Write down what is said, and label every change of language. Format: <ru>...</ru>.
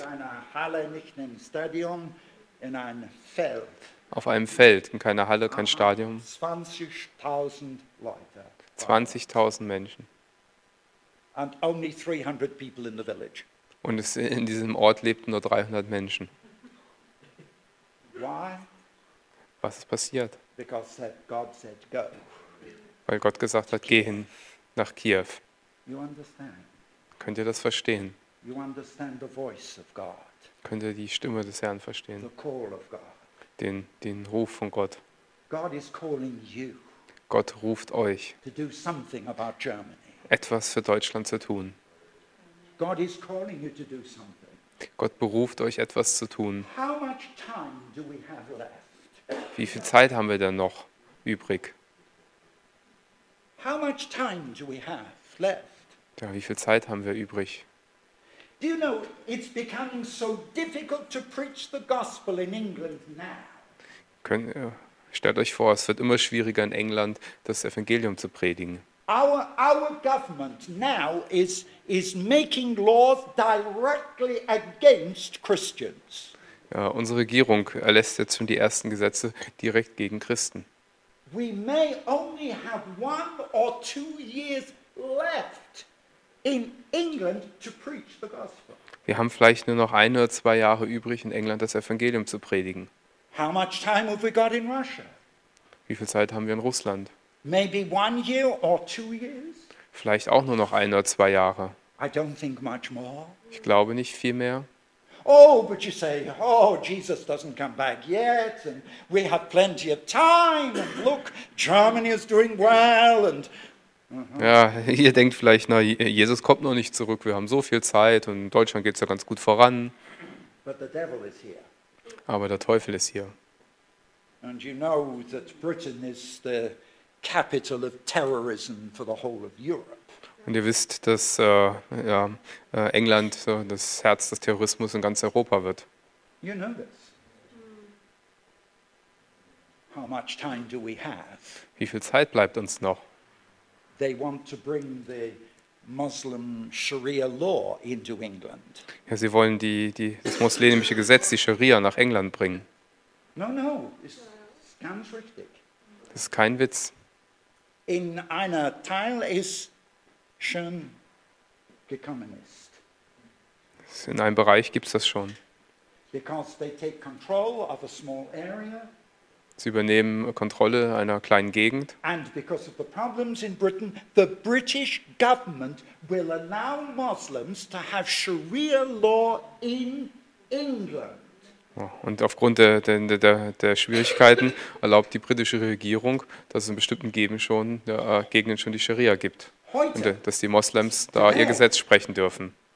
<de>In einer Halle, nicht im Stadion, in einem Feld. Auf einem Feld, in keiner Halle, kein Stadion. 20.000 Leute. 20.000 Menschen.</de> <en>And only 300 people in the village.</en> <de>Und es, in diesem Ort lebten nur 300 Menschen.</de> <en>Why?</en> <de>Was ist passiert?</de> <en>Because God said go.</en> <de>Weil Gott gesagt hat, geh hin nach Kiew.</de> <en>You understand?</en> <de>Könnt ihr das verstehen?</de> <en>You understand the voice of God.</en> <de>Könnt ihr die Stimme des Herrn verstehen?</de> <en>The call of God.</en> <de>Den Ruf von Gott.</de> <en>God is calling you.</en> <de>Gott ruft euch,</de> <en>to do something about Germany.</en> <de>Etwas für Deutschland zu tun.</de> <en>God is calling you to do something.</en> <de>Gott beruft euch, etwas zu tun.</de> <en>How much time do we have left?</en> <de>Wie viel Zeit haben wir denn noch übrig?</de> <en>How much time do we have left?</en> <de>Ja, wie viel Zeit haben wir übrig?</de> <en>Do you know, it's becoming so difficult to preach the gospel in England now.</en> <de>Stellt euch vor, es wird immer schwieriger in England, das Evangelium zu predigen.</de> <en>Our government now is making laws directly against Christians.</en> <de>Unsere Regierung erlässt jetzt schon die ersten Gesetze direkt gegen Christen.</de> <en>We may only have 1 or 2 years left in England to preach the gospel.</en> <de>Wir haben vielleicht nur noch 1 oder 2 Jahre übrig, in England das Evangelium zu predigen.</de> <en>How much time have we got in Russia?</en> <de>Wie viel Zeit haben wir in Russland?</de> <en>Maybe 1 year or 2 years?</en> <de>Vielleicht auch nur noch 1 oder 2 Jahre.</de> <en>I don't think much more.</en> <de>Ich glaube nicht viel mehr.</de> <en>Oh, but you say, oh, Jesus doesn't come back yet, and we have plenty of time, and look, Germany is doing well, and...</en> <de>Ja, ihr denkt vielleicht, na, Jesus kommt noch nicht zurück, wir haben so viel Zeit, und in Deutschland geht es ja ganz gut voran.</de> <en>But the devil is here.</en> <de>Aber der Teufel ist hier.</de> <en>And you know that Britain is the capital of terrorism for the whole of Europe.</en> <de>Und ihr wisst, dass England das Herz des Terrorismus in ganz Europa wird.</de> <en>You know this. How much time do we have?</en> <de>Wie viel Zeit bleibt uns noch?</de> <en>They want to bring the Muslim Sharia law into England.</en> <de>Ja, sie wollen das muslimische Gesetz, die Scharia, nach England bringen.</de> <en>No, it's</en> <de>ganz richtig. Das ist kein Witz. In einer Teil ist schon gekommen ist. In einem Bereich gibt es das schon.</de> <en>Because they take control of a small area.</en> <de>Sie übernehmen Kontrolle einer kleinen Gegend.</de> <en>And because of the problems in Britain, the British government will allow Muslims to have Sharia law in England.</en> <de>Und aufgrund der Schwierigkeiten erlaubt die britische Regierung, dass es in bestimmten Gegenden schon die Scharia gibt. Und dass die Moslems da ihr Gesetz sprechen dürfen.</de>